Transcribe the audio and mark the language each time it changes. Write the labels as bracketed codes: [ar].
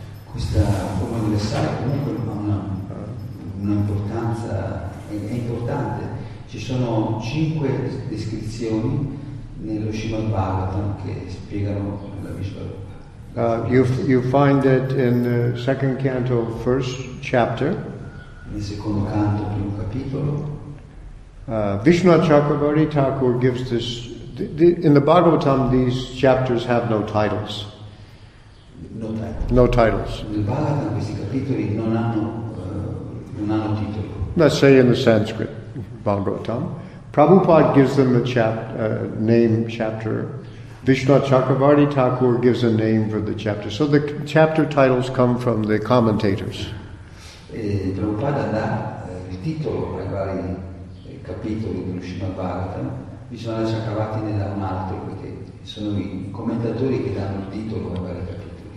[it] Questa forma universale comunque ha un'importanza, è importante. Ci sono cinque descrizioni nello Srimad Bhagavatam che spiegano la Vishwarupa. [en] You find it in the second canto, first chapter. [it] Nel secondo canto, primo capitolo. [en] Vishnu Chakravarti Thakur gives this. In the Bhagavatam, these chapters have no titles. No titles. [it] Nel Bhagavatam questi capitoli non hanno titolo. [en] Let's say in the Sanskrit. Bhagavatam. Prabhupada gives them a chapter. Vishnu Chakravarti Thakur gives a name for the chapter. So the chapter titles come from the commentators. [it] Prabhupada dà il titolo ai vari capitoli di Srimad Bhagavatam. Vishnu Chakravarti ne dà un altro perché sono i commentatori che danno il titolo ai vari capitoli.